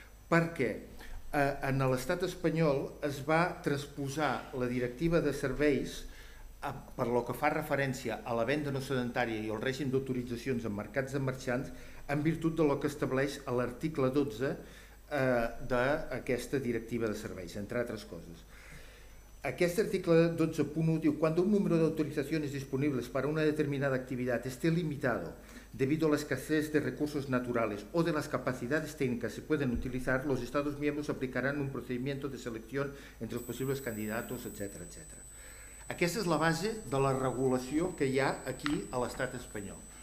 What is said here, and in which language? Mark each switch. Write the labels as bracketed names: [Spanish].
[Catalan] Perquè en l'estat espanyol es va transposar la directiva de serveis per lo que fa referència a la venda no sedentària i al règim d'autoritzacions en mercats de marxants en virtut de lo que estableix l'article 12 d'aquesta directiva de serveis, entre altres coses. Aquest article 12.1 diu quan un número d'autoritzacions disponibles per a una determinada activitat [Spanish] esté limitado debido a la escasez de recursos naturales o de las capacidades técnicas que se pueden utilizar, los estados miembros aplicarán un procedimiento de selección entre los posibles candidatos, etc. etc. [Catalan] Aquesta és la base de la regulació que hi ha aquí a l'estat espanyol.